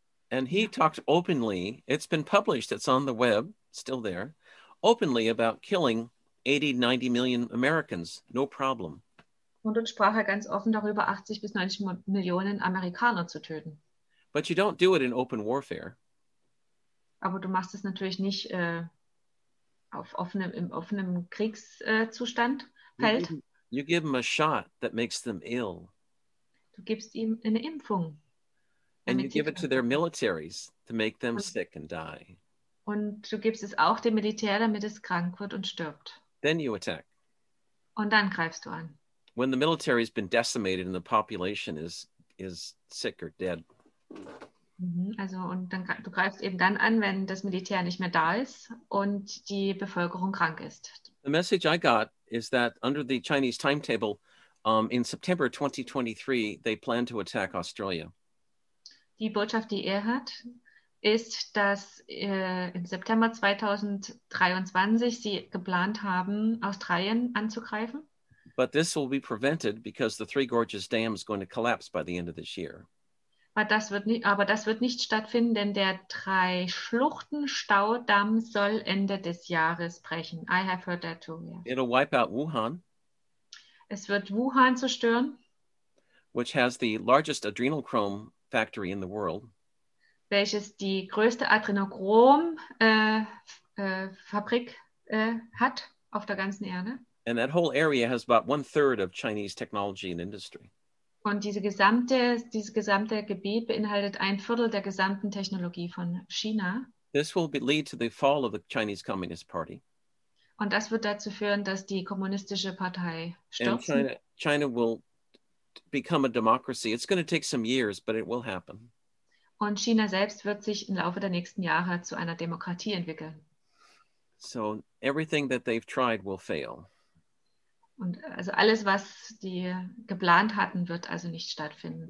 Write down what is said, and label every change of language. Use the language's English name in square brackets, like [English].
[English] And he talked openly, it's been published, it's on the web, still there, openly about killing 80-90 million Americans, no problem. [German] Und dort sprach er ganz offen darüber, 80 bis 90 Millionen Amerikaner zu töten. [English] But you don't do it in open warfare. [German] Aber du machst es natürlich nicht im offenen Kriegszustand, Feld. [English] You give them a shot that makes them ill. [German] Du gibst ihm eine Impfung. [English] And you give it to their militaries to make them sick and die. [German] Und du gibst es auch dem Militär, damit es krank wird und stirbt. [English] Then you attack. [German] Und dann greifst du an. [English] When the military has been decimated and the population is sick or dead. [German] Also und dann du greifst eben dann an, wenn das Militär nicht mehr da ist und die Bevölkerung krank ist. [English] The message I got is that under the Chinese timetable, in September 2023, they plan to attack Australia. [German] Die Botschaft, die er hat, ist, dass im September 2023 sie geplant haben, Australien anzugreifen. [English] But this will be prevented because the Three Gorges Dam is going to collapse by the end of this year. [German] Aber das wird nicht stattfinden, denn der Drei-Schluchten-Staudamm soll Ende des Jahres brechen. [English] I have heard that too, yes. It'll wipe out Wuhan. [German] Es wird Wuhan zerstören. [English] Which has the largest adrenochrome factory in the world. [German] Welches die größte Adrenochrom-Fabrik hat auf der ganzen Erde. [English] And that whole area has about one third of Chinese technology and industry. [German] Und dieses gesamte Gebiet beinhaltet ein Viertel der gesamten Technologie von China. [English] This will lead to the fall of the Chinese Communist Party. [German] Und das wird dazu führen, dass die kommunistische Partei stürzt. [English] And China will become a democracy. It's going to take some years, but it will happen. [German] Und China selbst wird sich im Laufe der nächsten Jahre zu einer Demokratie entwickeln. [English] So everything that they've tried will fail. [German] Und also alles, was die geplant hatten, wird also nicht stattfinden.